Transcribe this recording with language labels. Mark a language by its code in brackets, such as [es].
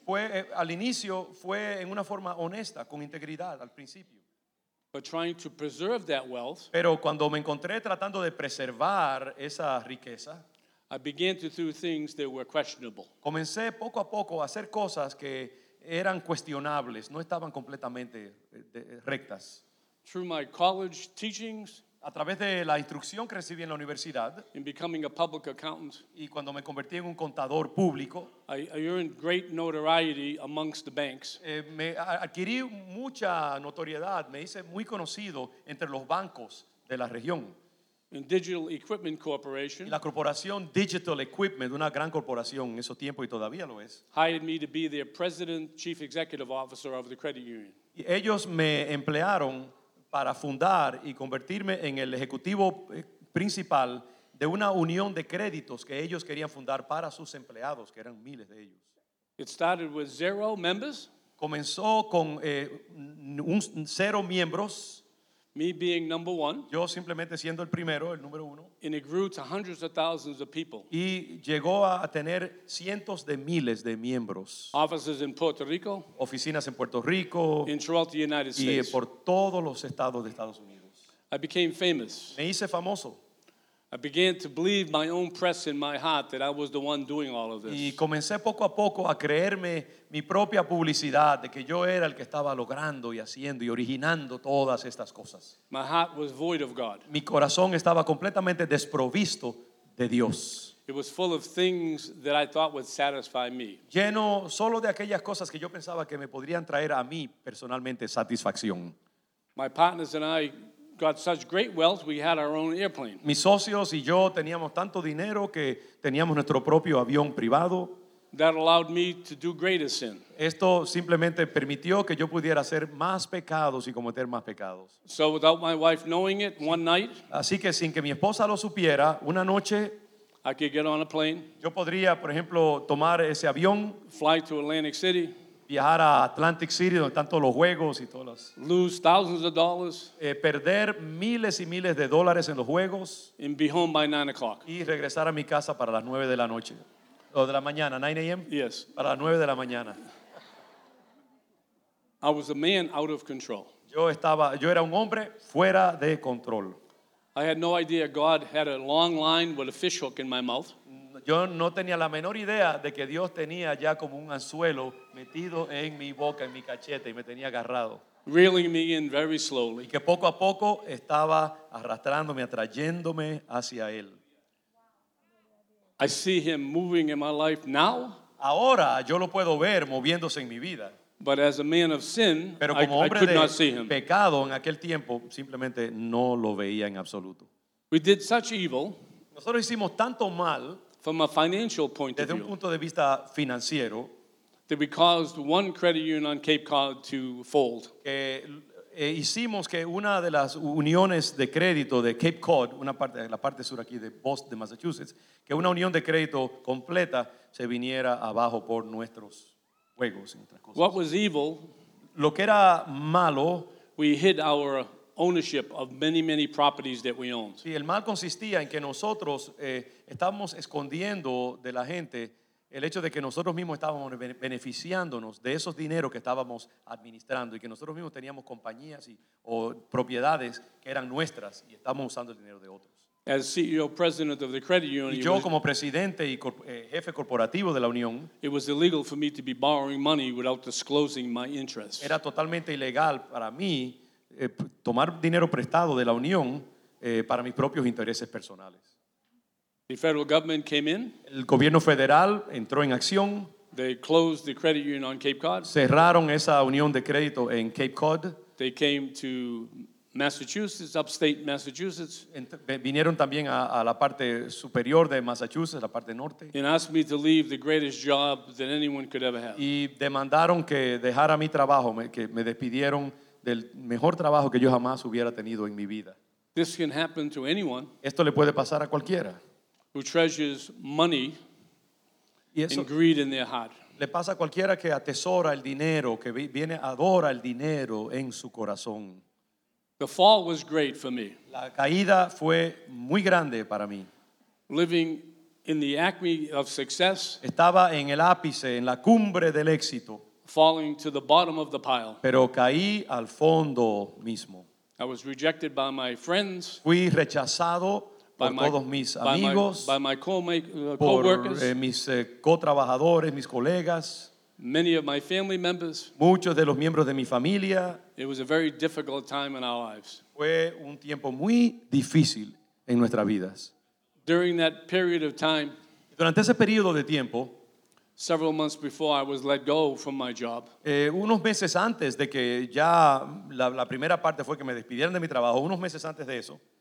[es] fue al inicio, fue en una forma honesta, con integridad al principio. [en] But trying to preserve that wealth, [es] pero cuando me encontré tratando de preservar esa riqueza, [en] I began to do things that were questionable. [es] Comencé poco a poco a hacer cosas que eran cuestionables, no estaban completamente rectas. [en] Through my college teachings, [es] a través de la instrucción que recibí en la universidad, [en] in becoming a public accountant, [es] y cuando me convertí en un contador público, [en] I earned great notoriety amongst the banks. [es] Me adquirí mucha notoriedad, me hice muy conocido entre los bancos de la región. [en] In Digital Equipment Corporation, [es] la corporación Digital Equipment, una gran corporación en esos tiempos y todavía lo es, [en] hired me to be their president, chief executive officer of the credit union. [es] Y ellos me emplearon para fundar y convertirme en el ejecutivo principal de una unión de créditos que ellos querían fundar para sus empleados, que eran miles de ellos. [en] It started with 0 members. [es] Comenzó con cero miembros. [en] Me being number one. [es] Yo simplemente siendo el primero, el número uno. [en] And it grew to hundreds of thousands of people. [es] Y llegó a tener cientos de miles de miembros. [en] Offices in Puerto Rico. [es] Oficinas en Puerto Rico. [en] And throughout the United States. [es] Y por todos los estados de Estados Unidos. [en] I became famous. [es] Me hice famoso. [en] I began to believe my own press in my heart that I was the one doing all of this. [es] Y comencé poco a poco a creerme mi propia publicidad de que yo era el que estaba logrando y haciendo y originando todas estas cosas. [en] My heart was void of God. [es] Mi corazón estaba completamente desprovisto de Dios. [en] It was full of things that I thought would satisfy me. [es] Lleno solo de aquellas cosas que yo pensaba que me podrían traer a mí personalmente satisfacción. [en] My partners and I got such great wealth, we had our own airplane. [es] Mis socios y yo teníamos tanto dinero que teníamos nuestro propio avión privado. [en] That allowed me to do greater sin. [es] Esto simplemente permitió que yo pudiera hacer más pecados y cometer más pecados. [en] So without my wife knowing it, one night, [es] así que sin que mi esposa lo supiera, una noche, [en] I could get on a plane, [es] yo podría, por ejemplo, tomar ese avión, [en] fly to Atlantic City, [es] viajar a Atlantic City, donde están todos los juegos y todas las... [en] Lose thousands of dollars. [es] Perder miles y miles de dólares en los juegos. [en] And be home by 9 o'clock. [es] Y regresar a mi casa para las 9 de la noche. O de la mañana, 9 a.m.? [en] Yes. [es] Para las 9 de la mañana. [en] I was a man out of control. [es] Yo era un hombre fuera de control. [en] I had no idea God had a long line with a fishhook in my mouth. [es] Yo no tenía la menor idea de que Dios tenía ya como un anzuelo metido en mi boca, en mi cachete, y me tenía agarrado. [en] Reeling me in very slowly. [es] Y que poco a poco estaba arrastrándome, atrayéndome hacia él. [en] I see him moving in my life now. [es] Ahora yo lo puedo ver moviéndose en mi vida. [en] But as a man of sin, [es] pero como hombre [en] I could not see him. [es] Pecado en aquel tiempo, simplemente no lo veía en absoluto. [en] We did such evil. [es] Nosotros hicimos tanto mal. [en] From a financial point of view. [es] Desde un punto de vista financiero. [en] That we caused one credit union on Cape Cod to fold. [es] Hicimos que una de las uniones de crédito de Cape Cod, una parte, la parte sur aquí de Boston, de Massachusetts, que una unión de crédito completa se viniera abajo por nuestros juegos y otras cosas. [en] What was evil, [es] lo que era malo, [en] we hid our ownership of many, many properties that we owned. [es] Sí, el mal consistía en que nosotros estábamos escondiendo de la gente el hecho de que nosotros mismos estábamos beneficiándonos de esos dineros que estábamos administrando y que nosotros mismos teníamos compañías y, o propiedades que eran nuestras y estábamos usando el dinero de otros. [en] As CEO, president of the credit union, [es] y yo como presidente y jefe corporativo de la unión, [en] it was illegal for me to be borrowing money without disclosing my interest. [es] Era totalmente ilegal para mí tomar dinero prestado de la unión para mis propios intereses personales. [en] The federal government came in. [es] El gobierno federal entró en acción. [en] They closed the credit union on Cape Cod. [es] Cerraron esa unión de crédito en Cape Cod. [en] They came to Massachusetts, upstate Massachusetts. [es] Vinieron también a la parte superior de Massachusetts, la parte norte. [en] And asked me to leave the greatest job that anyone could ever have. [es] Y demandaron que dejara mi trabajo, que me despidieron del mejor trabajo que yo jamás hubiera tenido en mi vida. [en] This can happen to anyone. [es] Esto le puede pasar a cualquiera. [en] Who treasures money and greed in their heart. [es] Le pasa a cualquiera que atesora el dinero, que viene, adora el dinero en su corazón. [en] The fall was great for me. [es] La caída fue muy grande para mí. [en] Living in the acme of success. [es] Estaba en el ápice, en la cumbre del éxito. [en] Falling to the bottom of the pile. [es] Pero caí al fondo mismo. [en] I was rejected by my friends. [es] Fui rechazado por todos mis amigos, [en] co-workers, [es] por mis co-trabajadores, mis colegas, [en] many of my family members. [es] Muchos de los miembros de mi familia. [en] It was a very difficult time in our lives. [es] Fue un tiempo muy difícil en nuestras vidas. [en] During that period of time, [es] durante ese periodo de tiempo, [en] several months before I was let go from my job, [es] unos meses antes de que ya la primera parte fue que me despidieran de mi trabajo, unos meses antes de eso,